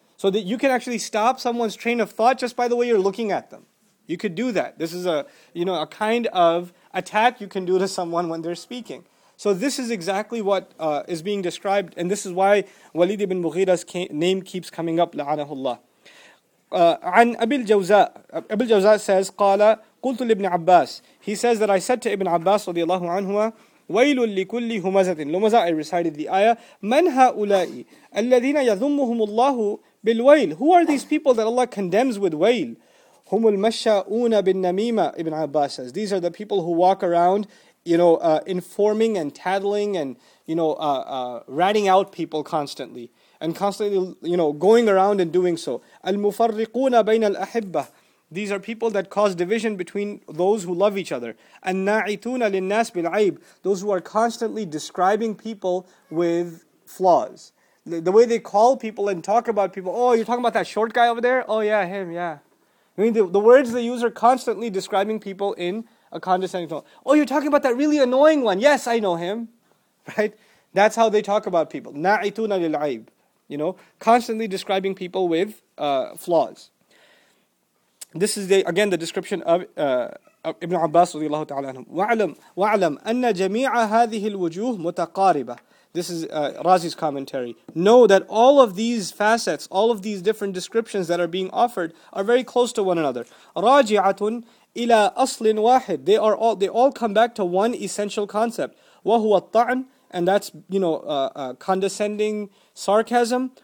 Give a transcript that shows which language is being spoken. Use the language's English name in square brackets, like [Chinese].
[English] So that you can actually stop someone's train of thought just by the way you're looking at them. You could do that. This is a kind of attack you can do to someone when they're speaking. So this is exactly what is being described. And this is why Walid ibn Mughira's name keeps coming up. [Arabic] La'anahullah. عن أبي الجوزاء. أبي الجوزاء [English] says, [Arabic] قَالَ قلت لابن عباس. [English] He says that I said to Ibn Abbas [Arabic] رضي الله عنه ويل لكل همزة لمزة. [English] I recited the ayah. [Arabic] من هؤلاء الذين يذمهم الله بالويل. [English] Who are these people that Allah condemns with ويل? [Arabic] هم المشاؤون بالنميمة. [English] Ibn Abbas says these are the people who walk around, you know, informing and tattling and, you know, ratting out people constantly and constantly, you know, going around and doing so. [Arabic] المفرقون بين الأحبة. [English] These are people that cause division between those who love each other. [Arabic] النَّاعِتُونَ لِلنَّاسِ بِالْعَيْبِ. [English] Those who are constantly describing people with flaws. The way they call people and talk about people. Oh, you're talking about that short guy over there? Oh yeah, him, yeah. I mean, the words they use are constantly describing people in a condescending tone. Oh, you're talking about that really annoying one. Yes, I know him. Right? That's how they talk about people. [Arabic] نَّاعِتُونَ لِلْعَيْبِ. [English] You know, constantly describing people with flaws. This is the description of Ibn Abbas [Arabic] رضي الله تعالى عنه. وَعْلَمْ أَنَّ جَمِيعَ هَذِهِ الْوُجُوهِ مُتَقَارِبَةٌ. [English] This is Razi's commentary. Know that all of these facets, all of these different descriptions that are being offered, are very close to one another. [Arabic] Raji'atun ila aslin wahid. [English] They all come back to one essential concept. [Arabic] Wahuwa al-ta'an, [English] and that's, you know, condescending sarcasm.